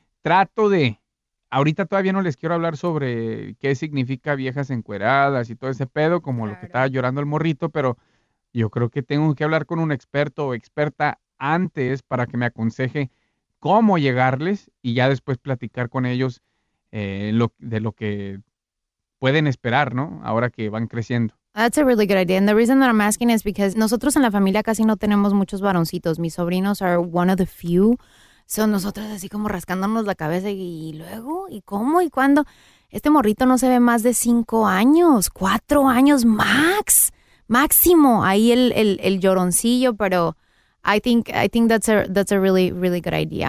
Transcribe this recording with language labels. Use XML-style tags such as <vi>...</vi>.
<es>trato de, ahorita todavía no les quiero hablar sobre qué significa viejas encueradas y todo ese pedo, como claro. Lo que estaba llorando el morrito, pero yo creo que tengo que hablar con un experto o experta antes para que me aconseje cómo llegarles y ya después platicar con ellos de lo que pueden esperar, ¿no? Ahora que van creciendo.</es> <en>That's a really good idea. And the reason that I'm asking is because</en> <es>nosotros en la familia casi no tenemos muchos varoncitos. Mis sobrinos</es> <en>are one of the few.</en> <es>Son nosotras así como rascándonos la cabeza y luego, ¿y cómo? ¿Y cuándo? Este morrito no se ve más de 5 años, 4 años max, máximo. Ahí el lloroncillo, pero</es> <en>I think that's a really, really good idea.</en>